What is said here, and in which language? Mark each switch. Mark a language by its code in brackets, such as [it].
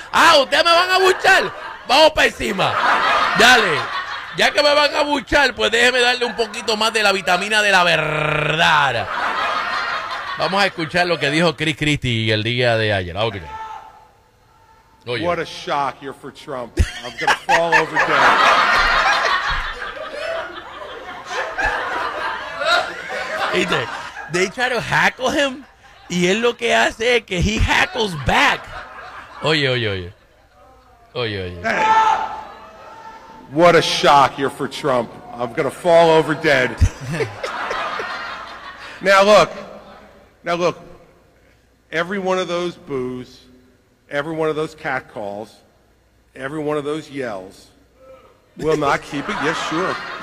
[es] ¡Ah, ustedes me van a abuchar! ¡Vamos para encima! ¡Dale! Ya que me van a buchar, pues déjeme darle un poquito más de la vitamina de la verdad. Vamos a escuchar lo que dijo Chris Christie el día de ayer. [en] Okay. Oh, yeah. What a shock you're for Trump. I'm going to fall over dead. They try to hackle him, [es] y él lo que hace es que [en] he hackles back. Oye. Hey. What a shock you're for Trump. I'm going to fall over dead. Now look, every one of those boos, every one of those catcalls, every one of those yells will not keep it. Yes, sure.